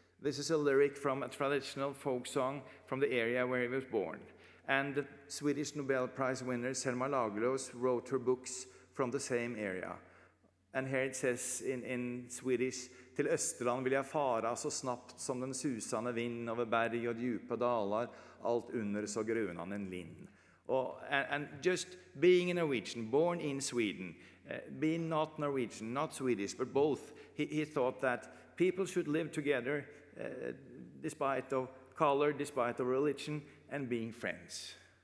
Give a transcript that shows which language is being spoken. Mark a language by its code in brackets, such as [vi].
[en] This is a lyric from a traditional folk song from the area where he was born. And the Swedish Nobel Prize winner Selma Lagerlöf wrote her books from the same area. And here it says in Swedish, [sv] "Till Österland vill jag fara så snabbt som den susande vind över berg och djupa dalar, allt under så grönande lind." [en] And just being a Norwegian, born in Sweden, being not Norwegian, not Swedish, but both, he thought that people should live together despite of color, despite of religion, and being friends.